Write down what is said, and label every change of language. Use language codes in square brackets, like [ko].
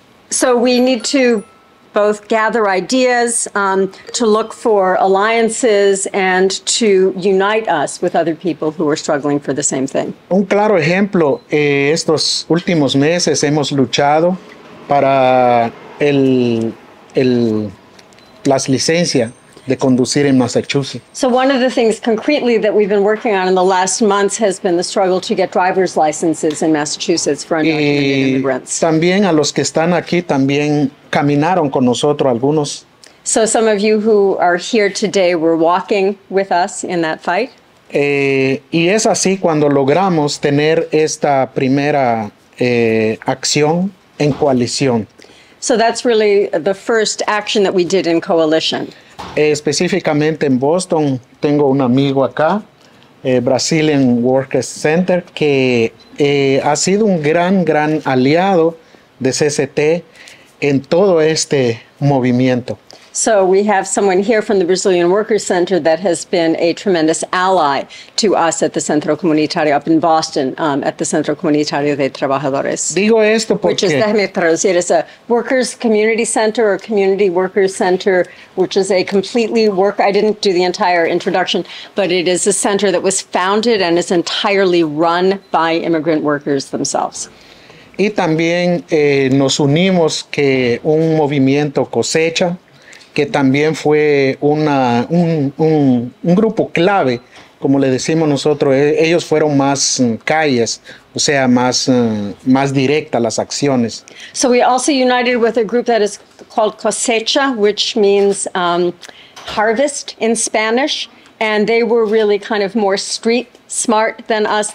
[en] So we need to both gather ideas, to look for alliances, and to unite us with other people who are struggling for the same thing. [es] Un claro ejemplo, estos últimos meses hemos luchado para las licencias de conducir en Massachusetts. [en] So one of the things concretely that we've been working on in the last months has been the struggle to get driver's licenses in Massachusetts for undocumented immigrants. [es] También a los que están aquí también caminaron con nosotros algunos. [en] So some of you who are here today were walking with us in that fight. [es] Y es así cuando logramos tener esta primera acción en coalición. [en] So that's really the first action that we did in coalition. [es] Específicamente en Boston, tengo un amigo acá, Brazilian Workers Center, que ha sido un gran, gran aliado de CCT en todo este movimiento. [en] So we have someone here from the Brazilian Workers Center that has been a tremendous ally to us at the Centro Comunitario up in Boston, at the Centro Comunitario de Trabajadores. [es] Digo esto porque... [en] Which is, [es] déjame traducir, [en] it's a workers community center or community workers center, which is a completely work... I didn't do the entire introduction, but it is a center that was founded and is entirely run by immigrant workers themselves. [es] Y también nos unimos que un movimiento cosecha, que también fue una, un grupo clave, como le decimos nosotros, ellos fueron más calles, o sea, más, más directa las acciones. [en] So we also united with a group that is called cosecha, which means harvest in Spanish. And they were really kind of more street smart than us.